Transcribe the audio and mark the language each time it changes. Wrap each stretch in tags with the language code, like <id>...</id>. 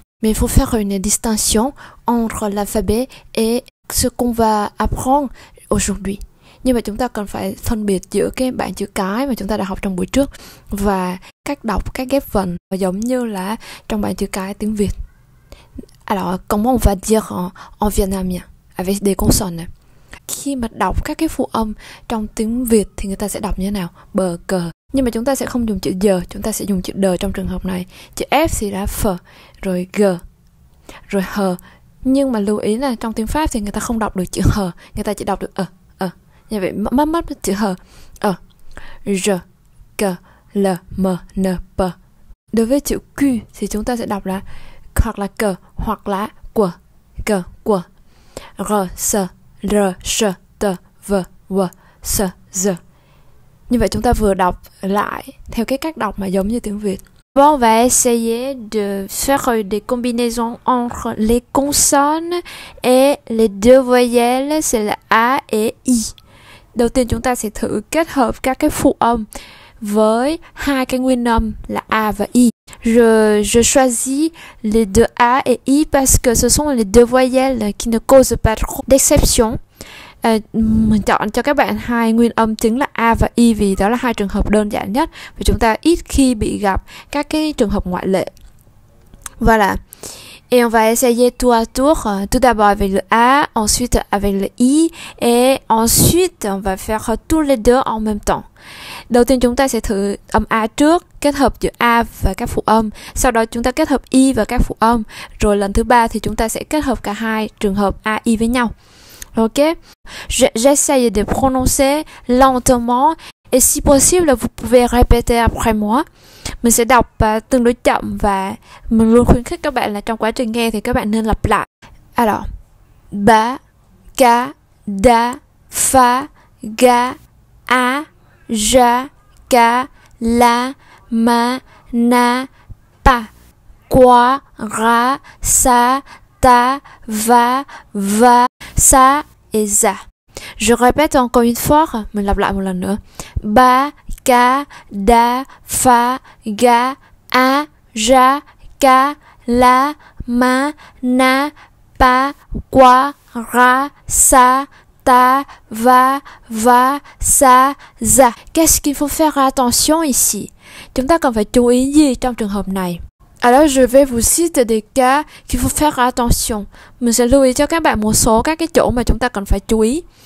<fr>Mais il faut faire une distinction entre l'alphabet et ce qu'on va apprendre aujourd'hui.</fr> <vi>Nhưng mà chúng ta cần phải phân biệt giữa cái bảng chữ cái mà chúng ta đã học trong buổi trước và cách đọc các ghép vần giống như là trong bảng chữ cái tiếng Việt.</vi> <fr>Alors, comment on va dire en vietnamien avec des consonnes?</fr> <vi>Khi mà đọc các cái phụ âm trong tiếng Việt thì người ta sẽ đọc như thế nào? Bờ cờ. Nhưng mà chúng ta sẽ không dùng chữ giờ, chúng ta sẽ dùng chữ đờ trong trường hợp này. Chữ F thì là F, rồi G, rồi H. Nhưng mà lưu ý là trong tiếng Pháp thì người ta không đọc được chữ H, người ta chỉ đọc được ờ. Như vậy mất chữ H. Ờ. R, G, L, M, N, P. Đối với chữ Q thì chúng ta sẽ đọc là hoặc là G hoặc là Q. G, Q. R, S, R, S, T, V, W, S, Z. Như vậy chúng ta vừa đọc lại theo cái cách đọc mà giống như tiếng Việt.</vi> <fr>Bon, on va essayer de faire des combinaisons entre les consonnes et les deux voyelles, c'est le A et I.</fr> <vi>Đầu tiên chúng ta sẽ thử kết hợp các cái phụ âm với hai cái nguyên âm là A và I.</vi> <fr>Je choisis les deux A et I parce que ce sont les deux voyelles qui ne causent pas trop d'exception.</fr> <vi>Chọn cho các bạn hai nguyên âm chính là A và I vì đó là hai trường hợp đơn giản nhất và chúng ta ít khi bị gặp các cái trường hợp ngoại lệ.</vi> <fr>Voilà. Et on va essayer tour à tour, tout d'abord avec le A, ensuite avec le I, et ensuite on va faire tous les deux en même temps.</fr> <vi>Đầu tiên chúng ta sẽ thử âm A trước, kết hợp giữa A và các phụ âm, sau đó chúng ta kết hợp I và các phụ âm, rồi lần thứ ba thì chúng ta sẽ kết hợp cả hai trường hợp A, I với nhau.</vi> <fr>Ok, j'essaye de prononcer lentement et si possible vous pouvez répéter après moi.</fr> <vi>Mình sẽ đọc tương đối chậm và mình luôn khuyến khích các bạn là trong quá trình nghe thì các bạn nên lặp lại.</vi> <fr>Alors, ba, ca, da, fa, ga, a, ja, ca, la, ma, na, pa, qua, ra, sa, ta, va, sa et za. Je répète encore une fois,</fr> <vi>mình lặp lại một lần nữa.</vi> <fr>Ba, ca, da, fa, ga, a, ja, ca, la, ma, na, pa, qua, ra, sa, ta, va, sa, za. Qu'est-ce qu'il faut faire attention ici?</fr> <vi>Chúng ta cần phải chú ý gì trong trường hợp này?</vi> <fr>Alors, je vais vous citer des cas qu'il faut faire attention.</fr> <vi>Mình sẽ lưu ý cho các bạn một số các cái chỗ mà chúng ta cần phải chú ý.</vi>